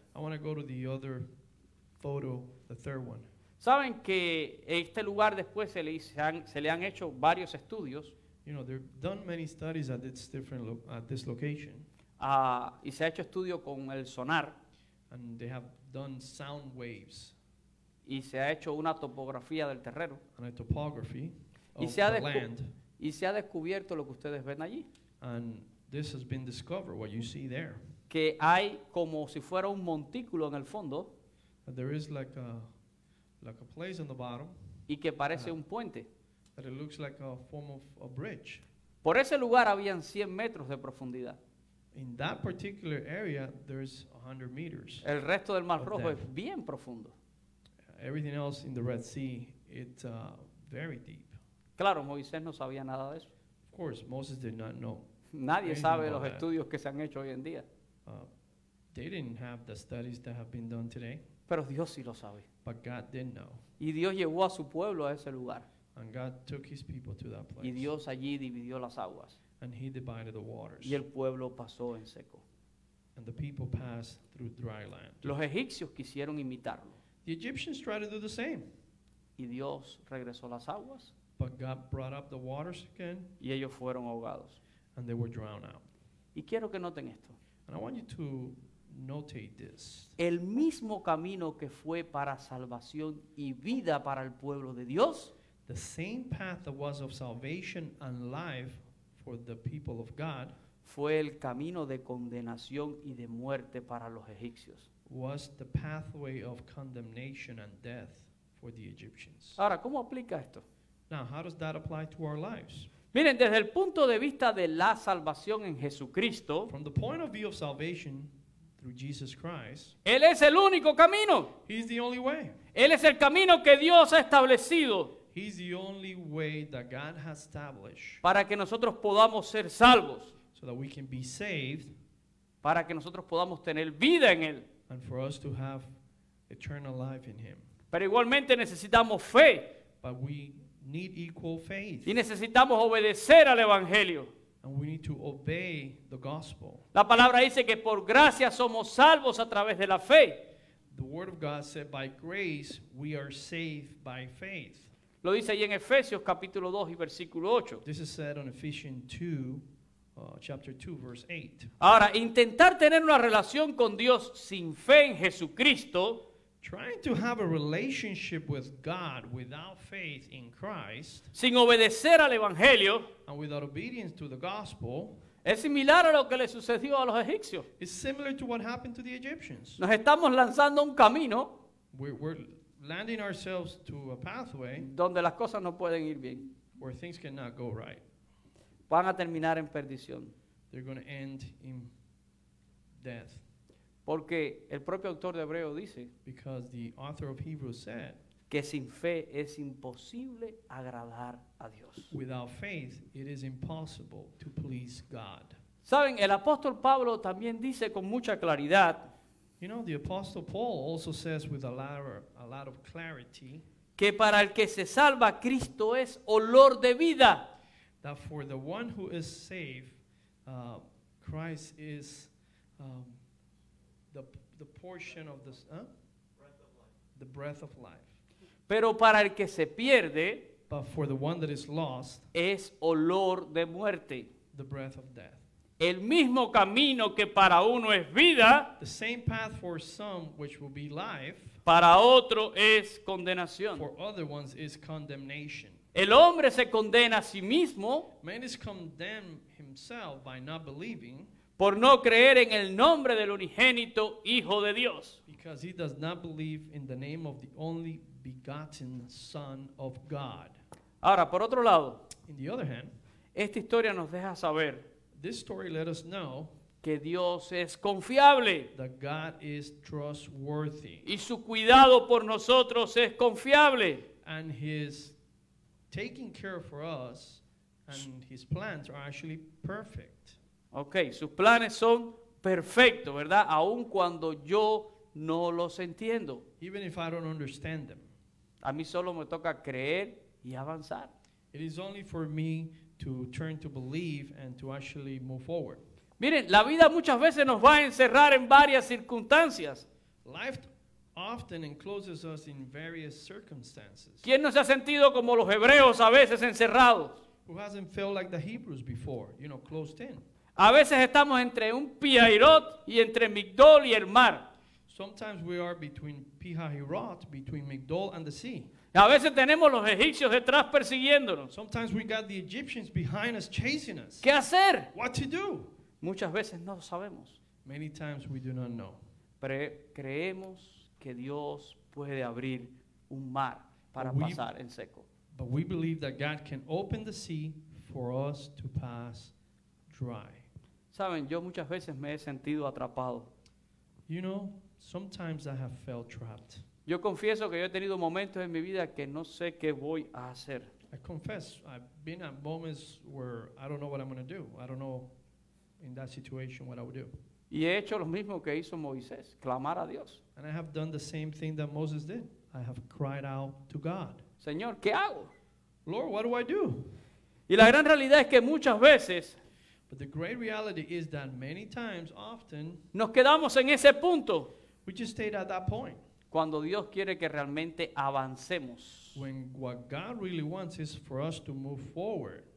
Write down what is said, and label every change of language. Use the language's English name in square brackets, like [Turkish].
[English] I want to go to the other photo, the third one. [Spanish] Saben que este lugar después se le han hecho varios estudios. [English] You know, they've done many studies at this different at this location. [Spanish] Y se ha hecho estudio con el sonar. [English] And they have done sound waves. [Spanish] Y se ha hecho una topografía del terreno. [English] And a topography of the land. [Spanish] Y se ha descubierto lo que ustedes ven allí. [English] And this has been discovered, what you see there. [Spanish] Que hay como si fuera un montículo en el fondo. [English] And there is like a place on the bottom. [Spanish] Y que parece un puente. [English] That it looks like a form of a bridge. [Spanish] Por ese lugar habían 100 metros de profundidad. [English] In that particular area, there's 100 meters. [Spanish] El resto del Mar Rojo es bien profundo. [English] Everything else in the Red Sea, it's very deep. [Spanish] Claro, Moisés no sabía nada de eso. [English] Of course, Moses did not know. [Spanish] Nadie sabe los estudios que se han hecho hoy en día. [English] They didn't have the studies that have been done today. [Spanish] Pero Dios sí lo sabe. [English] But God did know. [Spanish] Y Dios llevó a su pueblo a ese lugar. [English] And God took his people to that place. [Spanish] Y Dios allí dividió las aguas. [English] And he divided the waters. [Spanish] Y el pueblo pasó en seco. [English] And the people passed through dry land. [Spanish] Los egipcios quisieron imitarlo. [English] The Egyptians tried to do the same. [Spanish] Y Dios regresó las aguas. [English] But God brought up the waters again. [Spanish] Y ellos fueron ahogados. [English] And they were drowned out. [Spanish] Y quiero que noten esto. [English] And I want you to notate this. [Spanish] El mismo camino que fue para salvación y vida para el pueblo de Dios, [English] the same path that was of salvation and life for the people of God, [Spanish] fue el camino de condenación y de muerte para los egipcios, [English] was the pathway of condemnation and death for the Egyptians. [Spanish] Ahora, ¿cómo aplica esto? [English] Now, how does that apply to our lives? [Spanish] Miren, desde el punto de vista de la salvación en Jesucristo, [English] from the point of view of salvation through Jesus Christ, [Spanish] él es el único camino. [English] He's the only way. [Spanish] Él es el camino que Dios ha establecido. [English] He's the only way that God has established. [Spanish] Para que nosotros podamos ser salvos. [English] So that we can be saved. [Spanish] Para que nosotros podamos tener vida en él. [English] And for us to have eternal life in him. [Spanish] Pero igualmente necesitamos fe. [English] But we need equal faith. [Spanish] Y necesitamos obedecer al evangelio. [English] And we need to obey the gospel. [Spanish] La palabra dice que por gracia somos salvos a través de la fe. [English] The word of God said by grace we are saved by faith. [Spanish] Lo dice ahí en Efesios capítulo 2 y versículo 8. [English] This is said on Ephesians 2, chapter 2, verse 8. [Spanish] Ahora, intentar tener una relación con Dios sin fe en Jesucristo, [English] Trying to have a relationship with God without faith in Christ, [Spanish] sin obedecer al evangelio, [English] and without obedience to the gospel, [Spanish] es similar a lo que le sucedió a los egipcios. [English] It's similar to what happened to the Egyptians. [Spanish] Nos estamos lanzando un camino. [English] We're landing ourselves to a pathway [Spanish] donde las cosas no pueden ir bien. [English] Where things cannot go right. [Spanish] Van a terminar en perdición. [English] They're going to end in death. [Spanish] Porque el propio autor de Hebreo dice, [English] because the author of Hebrews said, [Spanish] que sin fe es imposible agradar a Dios. [English] Without faith, it is impossible to please God. [Spanish] Saben, el apóstol Pablo también dice con mucha claridad, [English] you know, the apostle Paul also says with a lot of clarity, [Spanish] que para el que se salva, Cristo es olor de vida. [English] That for the one who is saved, Christ is the portion of this, huh? Breath of life. The breath of life. [Spanish] Pero para el que se pierde, [English] but for the one that is lost, [Spanish] es olor de muerte. [English] The breath of death. [Spanish] El mismo camino que para uno es vida, [English] the same path for some which will be life, [Spanish] para otro es condenación. [English] For other ones is condemnation. [Spanish] El hombre se condena a sí mismo, [English] man is condemned himself by not believing, [Spanish] por no creer en el nombre del unigénito Hijo de Dios. [English] Because he does not believe in the name of the only begotten Son of God. [Spanish] Ahora, por otro lado, [English] in the other hand, [Spanish] esta historia nos deja saber, [English] this story let us know, [Spanish] que Dios es confiable, [English] that God is trustworthy, [Spanish] y su cuidado por nosotros es confiable, [English] and his taking care for us and his plans are actually perfect. [Spanish] Okay, sus planes son perfectos, ¿verdad? Aun cuando yo no los entiendo. [English] Even if I don't understand them. [Spanish] A mí solo me toca creer y avanzar. [English] It is only for me to turn to believe and to actually move forward. [Spanish] Miren, la vida muchas veces nos va a encerrar en varias circunstancias. [English] Life often encloses us in various circumstances. [Spanish] ¿Quién no se ha sentido como los hebreos a veces encerrados? [English] Who hasn't felt like the Hebrews before, you know, closed in? [Spanish] A veces estamos entre un Pi-Hahirot y entre Migdol y el mar. [English] Sometimes we are between Pi-Hahirot, between Migdol and the sea. [Spanish] A veces tenemos los egipcios detrás persiguiéndonos. [English] Sometimes we got the Egyptians behind us chasing us. [Spanish] ¿Qué hacer? [English] What to do? [Spanish] Muchas veces no sabemos. [English] Many times we do not know. [Spanish] Pero creemos que Dios puede abrir un mar para pasar en seco. [English] But we believe that God can open the sea for us to pass dry. [Spanish] Saben, yo muchas veces me he sentido atrapado. [English] You know, sometimes I have felt trapped. [Spanish] Yo confieso que yo he tenido momentos en mi vida que no sé qué voy a hacer. [English] I confess, I've been at moments where I don't know what I'm going to do. I don't know in that situation what I would do. [Spanish] Y he hecho lo mismo que hizo Moisés, clamar a Dios. [English] And I have done the same thing that Moses did. I have cried out to God. [Spanish] Señor, ¿qué hago? [English] Lord, what do I do? [Spanish] Y la gran realidad es que muchas veces, [English] but the great reality is that many times, often, [Spanish] nos quedamos en ese punto. [English] We just stayed at that point. [Spanish] Cuando Dios quiere que realmente avancemos. [English] When what God really wants is for us to move forward.